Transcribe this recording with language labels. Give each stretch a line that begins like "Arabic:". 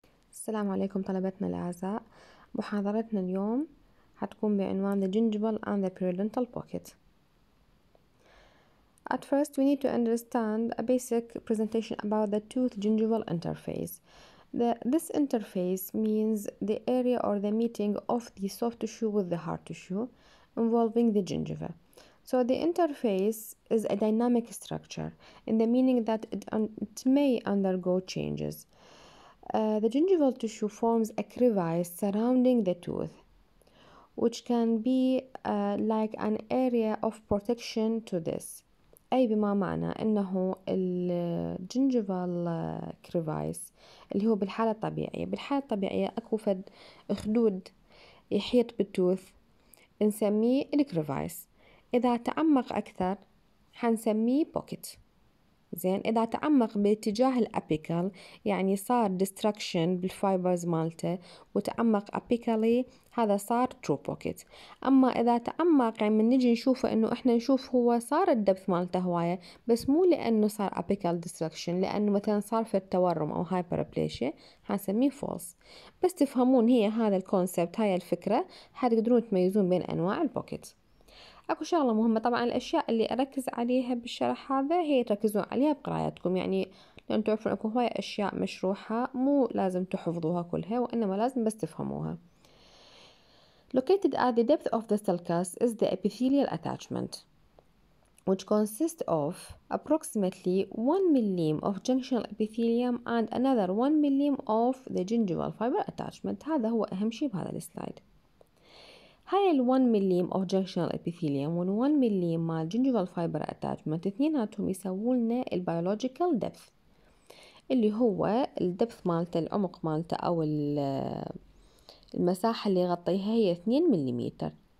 Arabic: السلام عليكم طلبتنا الأعزاء، محاضرتنا اليوم حتكون بعنوان
English: The gingival and the periodontal pocket. At first, we need to understand a basic presentation about the tooth-gingival interface. This interface means the area or the meeting of the soft tissue with the hard tissue involving the gingiva. So the interface is a dynamic structure in the meaning that it may undergo changes. The gingival tissue forms a crevice surrounding the tooth, which can be like an area of protection to this.
Arabic: أي بما معنى أنه الجنجيفال كريفايس اللي هو بالحالة الطبيعية، بالحالة الطبيعية أكو فد خدود يحيط بالتوث نسميه الكريفايس، إذا تعمق أكثر حنسميه بوكيت. زين، إذا تعمق باتجاه الأبيكال يعني صار ديستركشن بالفايبرز مالته وتعمق أبيكالي هذا صار ترو بوكيت. أما إذا تعمق يعني من نجي نشوفه إنه إحنا نشوف هو صار الدبث مالته هواية بس مو لأنه صار أبيكال ديستركشن، لأنه مثلا صار في التورم أو هايبربليشيا حنسميه فولس. بس تفهمون هي هذا الكونسبت، هاي الفكرة، حتقدرون تميزون بين أنواع البوكيت. أكو شغلة مهمة طبعا، الأشياء اللي أركز عليها بالشرح هذا هي تركزوا عليها بقراياتكم، يعني لأن تعرفون أكو هواية أشياء مشروحة مو لازم تحفظوها كلها وإنما لازم بس تفهموها.
English: Located at the depth of the sulcus is the epithelial attachment, which consists of approximately 1 mm of junctional epithelium and another 1 mm of the gingival fiber attachment.
Arabic: هذا هو أهم شيء بهذا السلايد. هاي ال 1 مليم
English: of junctional epithelium
Arabic: و 1 مليم مع
English: gingival fiber attachment
Arabic: اثنين هاتهم يسووا لنا البيولوجيكال depth اللي هو الدبث مالته، العمق مالته او المساحة اللي يغطيها هي 2 مليمتر.